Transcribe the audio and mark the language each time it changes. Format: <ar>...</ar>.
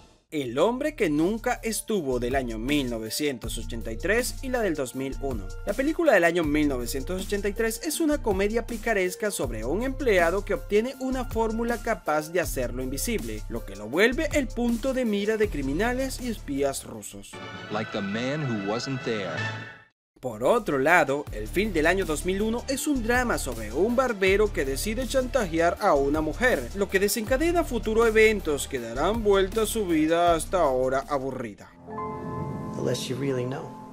<es>El hombre que nunca estuvo del año 1983 y la del 2001. La película del año 1983 es una comedia picaresca sobre un empleado que obtiene una fórmula capaz de hacerlo invisible, lo que lo vuelve el punto de mira de criminales y espías rusos.</es> <en>Like the man who wasn't there.</en> <es>Por otro lado, el film del año 2001 es un drama sobre un barbero que decide chantajear a una mujer, lo que desencadena futuros eventos que darán vuelta a su vida hasta ahora aburrida.</es> <en>Unless you really know.</en>